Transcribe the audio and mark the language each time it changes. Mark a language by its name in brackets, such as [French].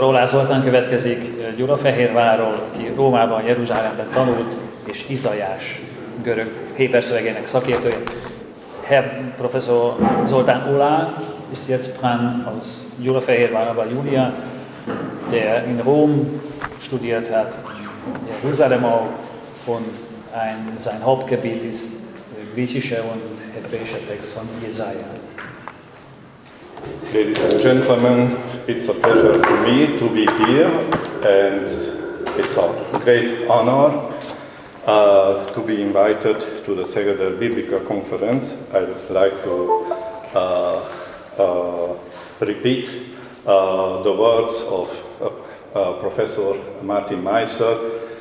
[Hungarian] Rólá Zoltán következik Gyulafehérvárról, aki Rómában, Jeruzsálemben tanult, és Izajás görög héberszövegének szakértője. [German] Herr Professor Zoltán Ola ist jetzt dran aus Gyulafehérvárban, Julia, der in Rom studiert hat, Jeruzsálem auch, und sein Hauptgebiet ist griechische und hebräische Text von Jesaja. [English] Ladies and gentlemen, it's a pleasure to me to be here, and it's a great honor to be invited to the Szegeder Biblical Conference. I'd like to repeat the words of Professor Martin Meisser.